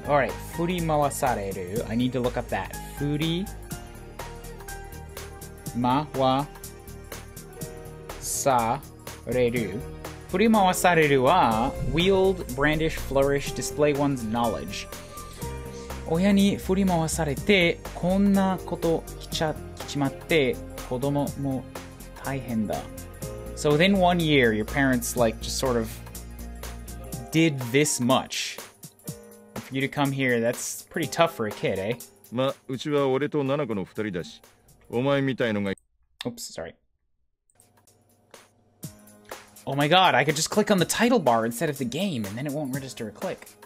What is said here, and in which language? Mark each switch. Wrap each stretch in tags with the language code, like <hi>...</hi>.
<en>Alright, 振り回される.I need to look up that. 振り回される. 振り回されるは wield, brandish, flourish, display one's knowledge.</en> <ja>親に振り回されてこんなこと来ちまって子供も大変だ.</ja> <en>So within 1 year, your parents like just sort of did this much. For you to come here, that's pretty tough for a kid, eh?</en> <ja>まあ、うちは俺とナナコの二人だし、お前みたいのが...</ja> <en>Oops, sorry. Oh my god, I could just click on the title bar instead of the game, and then it won't register a click.</en>